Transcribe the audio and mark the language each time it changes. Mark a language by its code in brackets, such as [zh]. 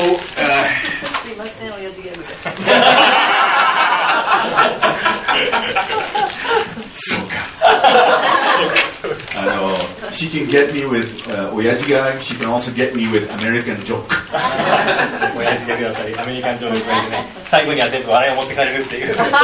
[ja] すいません、おやじギャグ。そうか、 [en] she can get me with Oyaji gag. She can also get me with American joke. [ja] Oyaji gag だったり、アメリカンジョークだったり、最後には全部笑いを持ってかれるっていう。